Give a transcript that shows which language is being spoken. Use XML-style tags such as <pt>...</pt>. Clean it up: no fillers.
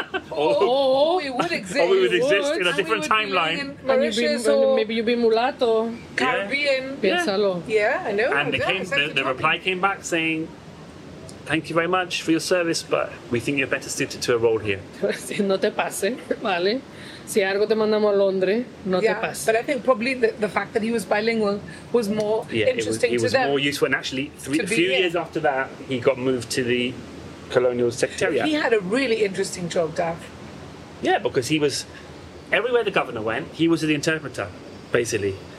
<en>Or we would exist in a different timeline. And you'd be, maybe you'd be mulatto. Caribbean.</en> <es>Piénsalo.</es> <en>Yeah, I know. And the reply came back saying, thank you very much for your service, but we think you're better suited to a role here.</en> <es>No te pase, vale. Si algo te mandamos a Londres, no te pase.</es> <en>But I think probably the fact that he was bilingual was more interesting to them. It was more useful. And actually, a few years after that, he got moved to the colonial secretariat. He had a really interesting job, Dav. Yeah, because he was everywhere the governor went, he was the interpreter, basically.</en>